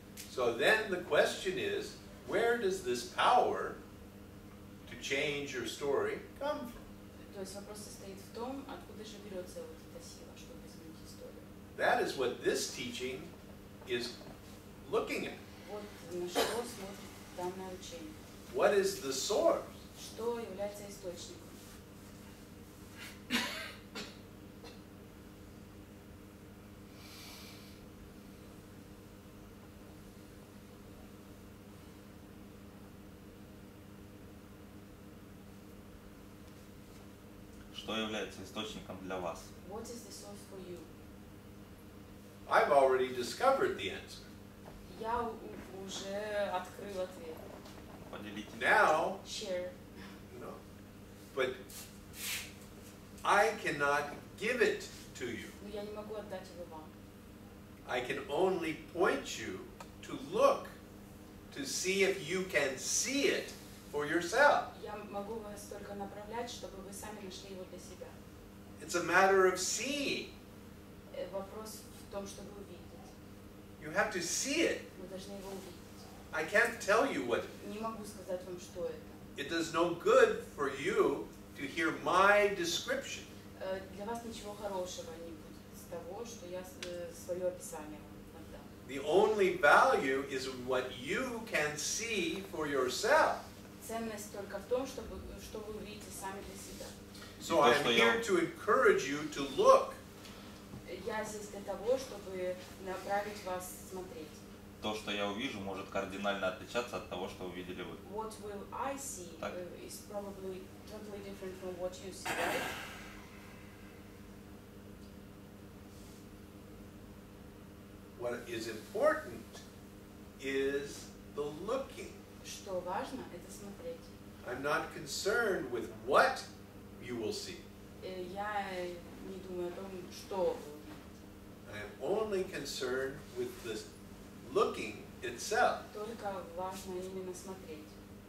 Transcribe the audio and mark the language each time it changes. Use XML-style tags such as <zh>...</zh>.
<en>So then the question is, where does this power to change your story come from?</en> <ru>То есть вопрос состоит в том, откуда же берется вот эта сила, чтобы изменить историю.</ru> <en>That is what this teaching is looking at.</en> <ru>Вот на что смотрит данное учение.</ru> <en>What is the source?</en> <ru>Что является источником? Что является источником для вас?</ru> <en>What is the source for you? I've already discovered the answer.</en> <ru>Я уже открыл ответ. Поделитесь.</ru> <en>Now, share. No. But I cannot give it to you.</en> <ru>Но я не могу отдать его вам.</ru> <en>I can only point you to look to see if you can see it. For yourself.</en> <ru>Я могу вас только направлять, чтобы вы сами нашли его для себя.</ru> <en>It's a matter of seeing.</en> <ru>Вопрос в том, чтобы увидеть.</ru> <en>You have to see it.</en> <ru>Вы должны его увидеть.</ru> <en>I can't tell you what.</en> <ru>Не могу сказать вам, что это.</ru> <en>It does no good for you to hear my description.</en> <ru>Для вас ничего хорошего не будет с того, что я свое описание вам отдам.</ru> <en>The only value is what you can see for yourself.</en> <ru>Ценность только в том, что вы увидите сами для себя.</ru> <en>So I'm here to encourage you to look.</en> <ru>Я здесь для того, чтобы направить вас смотреть. То, что я увижу, может кардинально отличаться от того, что увидели вы.</ru> <en>What will I see</en> <ru>так.</ru> <en>Is probably totally different from what you see, right? What is important is the looking.</en> <ru>Что важно, это смотреть.</ru> <en>I'm not concerned with what you will see.</en> <ru>Я не думаю о том, что вы увидите.</ru> <en>I am only concerned with the looking itself.</en> <ru>Только важно именно смотреть.</ru>